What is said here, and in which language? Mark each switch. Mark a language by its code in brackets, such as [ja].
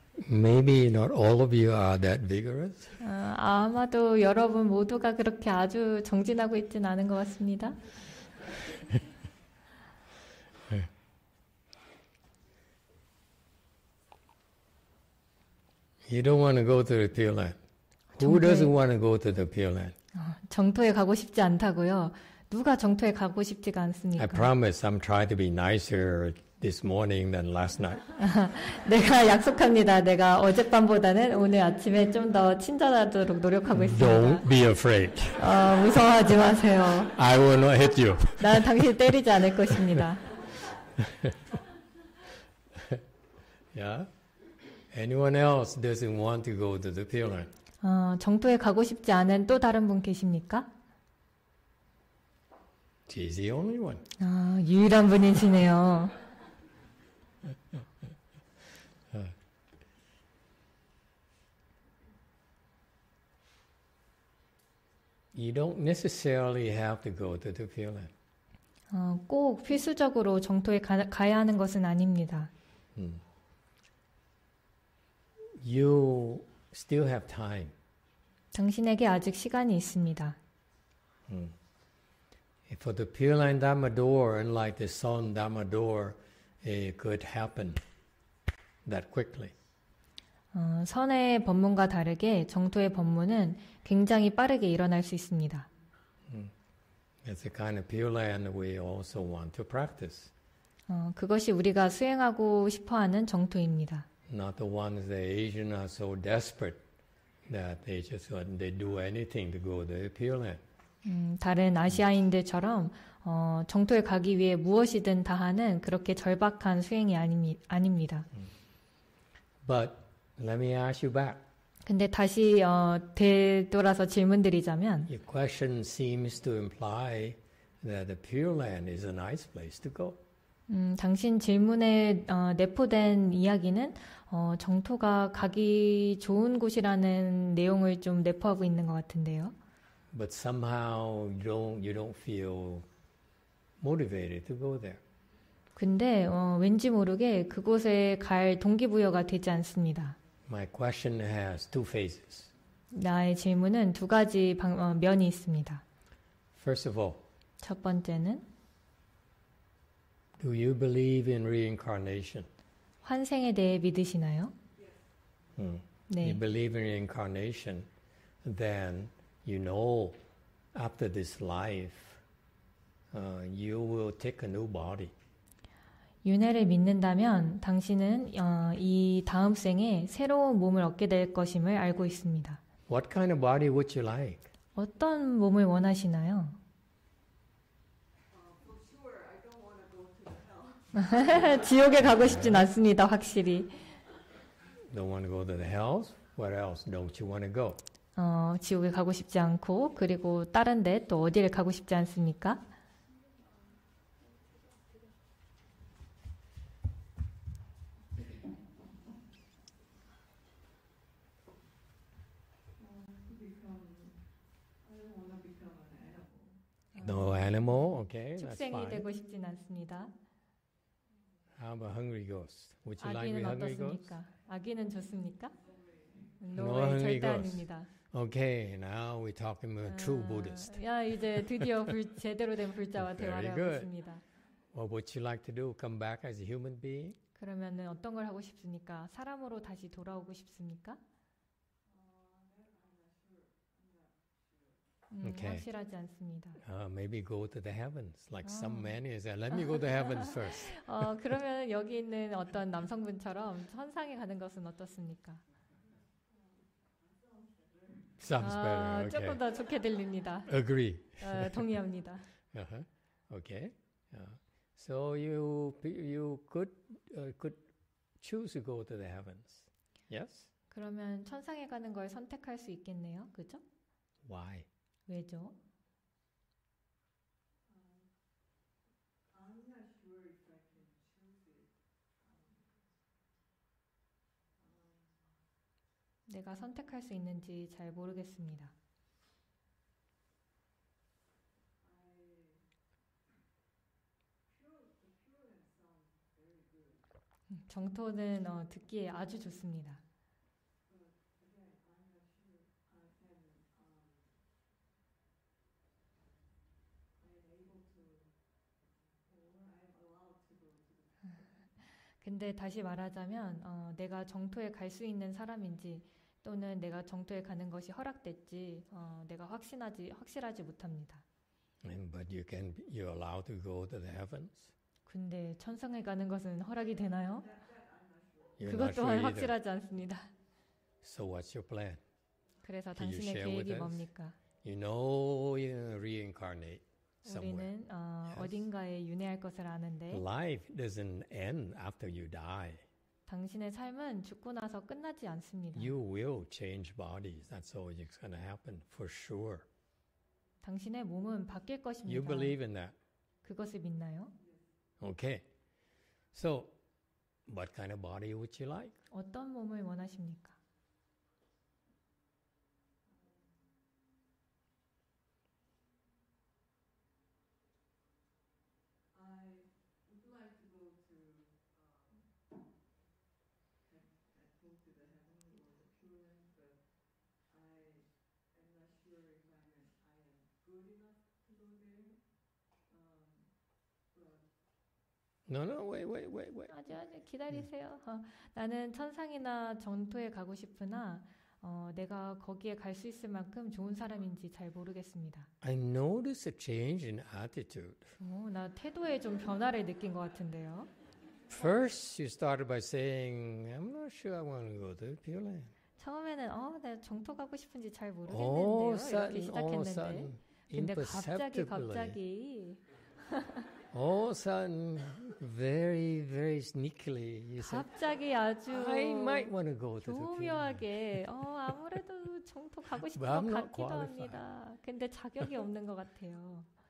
[en] Maybe not all of you are that vigorous. [ko] 아마도 여러분 모두가 그렇게 아주 정진하고 있진 않은 것 같습니다. [en] You don't want to go to the Pure Land. Who doesn't want to go to the Pure Land? [ko] 정토에 가고 싶지 않다고요? 누가 정토에 가고 싶지가 않습니까? [en] I promise I'm trying to be nicer this morning than last night. [ko] 내가 약속합니다. 내가 어젯밤보다는 오늘 아침에 좀 더 친절하도록 노력하고 있습니다. [en] Don't be afraid. [ko] 무서워하지 마세요. [en] I will not hit you. [ko] 나는 당신을 때리지 않을 것입니다. [en] Yeah. Anyone else doesn't want to go to the Pure Land? [ko] 정토에 가고 싶지 않은 또 다른 분 계십니까? [en] She's the only one. [ko] 유일한 분이시네요. [en] You don't necessarily have to go to the Pure Land. [ko] 꼭 필수적으로 정토에 가야 하는 것은 아닙니다. [en] You still have time. [ko] 당신에게 아직 시간이 있습니다. [en] For the Pure Land Dharma Door, unlike the Seon Dharma Door, it could happen that quickly. [ko] 선의 법문과 다르게 정토의 법문은 굉장히 빠르게 일어날 수 있습니다. [en] It's a kind of pure land we also want to practice. [ko] 그것이 우리가 수행하고 싶어하는 정토입니다. [en] Not the ones that Asians are so desperate that they do anything to go to the pure land. [ko] 다른 아시아인들처럼 정토에 가기 위해 무엇이든 다 하는 그렇게 절박한 수행이 아닙니다. [en] But let me ask you back. [ko] 근데 다시 되돌아서 질문드리자면 [en] Your question seems to imply that the Pure Land is a nice place to go. [ko] 당신 질문에 내포된 이야기는 정토가 가기 좋은 곳이라는 내용을 좀 내포하고 있는 것 같은데요. [en] But somehow you don't feel motivated to go there. [ko] 근데 왠지 모르게 그곳에 갈 동기부여가 되지 않습니다. [en] My question has two phases. [ko] 나의 질문은 두 가지 면이 있습니다. [en] First of all, [ko] 첫 번째는 [en] Do you believe in reincarnation? [ko] 환생에 대해 믿으시나요? [en] If you believe in reincarnation, then you know after this life, you will take a new body. [ko] 윤회를 믿는다면 당신은 이 다음 생에 새로운 몸을 얻게 될 것임을 알고 있습니다. [en] What kind of body would you like? [ko] 어떤 몸을 원하시나요? [en] Yeah. [ko] 확실히. [en] Don't want to go to the hells? What else don't you want to go? [ko] 지옥에 가고 싶지 않고 그리고 다른 데 또 어디를 가고 싶지 않습니까? [en] No animal, okay? [ko] 축생이 [en] that's [ko] 되고 싶진 않습니다. [en] How about hungry ghost? Would you like to be hungry ghost? [ko] 아기는 좋습니까? [en] No, no hungry ghost. Okay, now we're talking about true Buddhist. [ko] 야 이제 드디어 제대로 된 불자와 대화를 하고 있습니다. [en] What would you like to do? Come back as a human being? [ko] 그러면은 어떤 걸 하고 싶습니까? 사람으로 다시 돌아오고 싶습니까? [en] Okay. [ko] 확실하지 않습니다. [en] Maybe go to the heavens, like some man is. Let me go to heavens first. [ko] 그러면 여기 있는 어떤 남성분처럼 천상에 가는 것은 어떻습니까? [en] Sounds better. Okay. [ko] 조금 더 좋게 들립니다. [en] Agree. [ko] 동의합니다. [en] Okay. So you could choose to go to the heavens. Yes. [ko] 그러면 천상에 가는 걸 선택할 수 있겠네요. 그죠? [en] Why? [ko] 왜죠? [en] I'm not sure if I can choose it. [ko] 내가 선택할 수 있는지 잘 모르겠습니다. [en] Pure and sound very good. [ko] 정토는 듣기에 아주 좋습니다. 근데 다시 말하자면 내가 정토에 갈 수 있는 사람인지 또는 내가 정토에 가는 것이 허락됐지 내가 확실하지 못합니다. [en] But you're allowed to go to the heavens. [ko] 근데 천상에 가는 것은 허락이 되나요? [en] You're [ko] 그것 또한 [en] sure [ko] 확실하지 [en] either. [ko] 않습니다. [en] So what's your plan? [ko] 그래서 Can 당신의 계획이 뭡니까? [en] You know reincarnate. [ko] 우리는 어딘가에 윤회할 것을 아는데 [en] Life doesn't end after you die. [ko] 당신의 삶은 죽고 나서 끝나지 않습니다. [en] You will change bodies. That's always going to happen for sure. [ko] 당신의 몸은 바뀔 것입니다. [en] You believe in that? [ko] 그것을 믿나요? [en] Okay. So, what kind of body would you like? [ko] 어떤 몸을 원하십니까? [en] No, no, wait. [ko] 아직 기다리세요. 나는 천상이나 정토에 가고 싶으나 내가 거기에 갈 수 있을 만큼 좋은 사람인지 잘 모르겠습니다. [en] I notice a change in attitude. [ko] 나 태도에 좀 변화를 느낀 것 같은데요. [en] First, you started by saying, I'm not sure I want to go to Pure Land. [ko] 처음에는 내가 정토 가고 싶은지 잘 모르겠는데요. 이렇게 시작했는데. 근데 갑자기 [en] All of a sudden, very, very sneakily, you said, [ko] 갑자기 아주 [en] I might want to go to [ko] 교묘하게 아무래도 정토 가고 싶은 것 같기도 qualified. 합니다. 근데 자격이 없는 것 같아요.